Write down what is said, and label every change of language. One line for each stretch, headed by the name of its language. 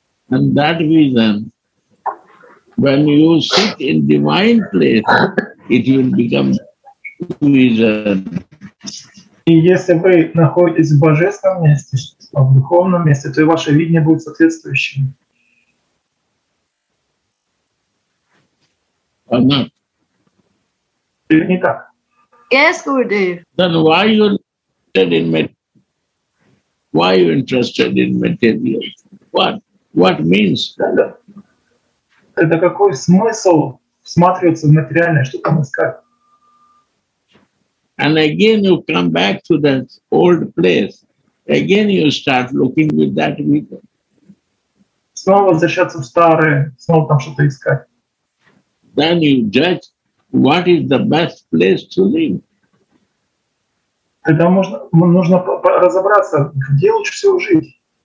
English: And that vision, when you sit in divine place, it will become vision.
Russian: И если вы находитесь в божественном месте, в духовном месте, то и ваше видение будет соответствующим.
English: Anna.
Russian: Или не так?
English: Yes, Gurudev. Then why you interested in material? Why you interested in material? What? What means?
Russian: Это какой смысл всматриваться в материальное? Что там искать?
English: And again you come back to that old place. Again you start looking with that vision.
Russian: Снова возвращаться в старое, снова там что-то искать.
English: Then you judge what is the best place to live.
Russian: Тогда нужно разобраться, где лучше всего жить.